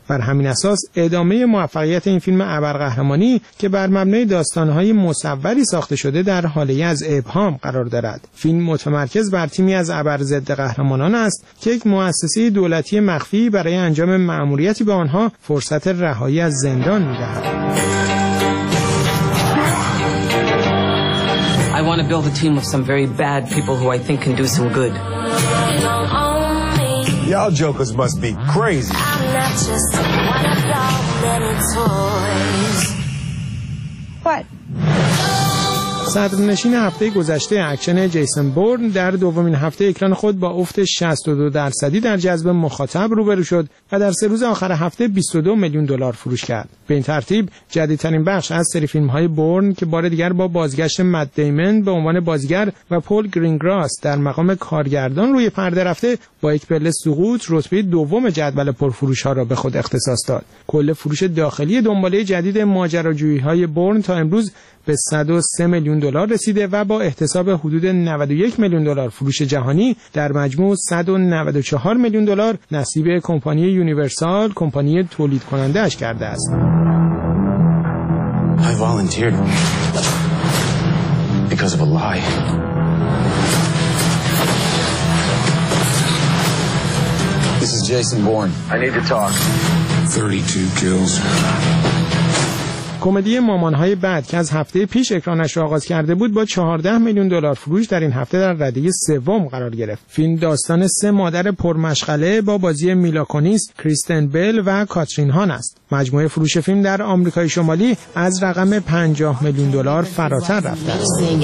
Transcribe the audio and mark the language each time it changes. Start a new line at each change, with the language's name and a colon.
Persian: بر همین اساس ادامه موفقیت این فیلم ابرقهرمانی که بر مبنای داستان‌های مصوری ساخته شده در حاله از ابهام قرار دارد. فیلم متمرکز بر تیمی از ابر ضد قهرمانان است که یک مؤسسه دولتی مخفی برای انجام مأموریتی به آنها فرصت رهایی از زندان می‌دهد.
English: I want to build a team of some very bad people who I think can do some good. Y'all jokers must be crazy. I'm not just one of your many toys. What?
Persian: صدرنشین هفته گذشته اکشن جیسون بورن در دومین هفته اکران خود با افت 62% در جذب مخاطب روبرو شد و در سه روز آخر هفته 22 میلیون دلار فروش کرد. به این ترتیب جدیدترین بخش از سری فیلم‌های بورن که بار دیگر با بازگشت مت دیمن به عنوان بازیگر و پول گرینگراس در مقام کارگردان روی پرده رفته با یک پله سقوط رتبه دوم جدول پرفروش‌ها را به خود اختصاص داد. کل فروش داخلی دنباله جدید ماجراجویی‌های بورن تا امروز به 103 میلیون دلار رسیده و با احتساب حدود 91 میلیون دلار فروش جهانی در مجموع 194 میلیون دلار نصیب کمپانی یونیورسال، کمپانی تولید کننده اش کرده است.
English: I volunteered because of a lie. This is Jason Bourne. I need to talk. 32 kills.
Persian: کمدی مامان‌های بعد که از هفته پیش اکرانش را آغاز کرده بود با 14 میلیون دلار فروش در این هفته در رده سوم قرار گرفت. فیلم داستان سه مادر پرمشغله با بازی میلا کونیس، کریستن بیل و کاترین هان است. مجموعه فروش فیلم در آمریکای شمالی از رقم 50 میلیون دلار فراتر رفته است.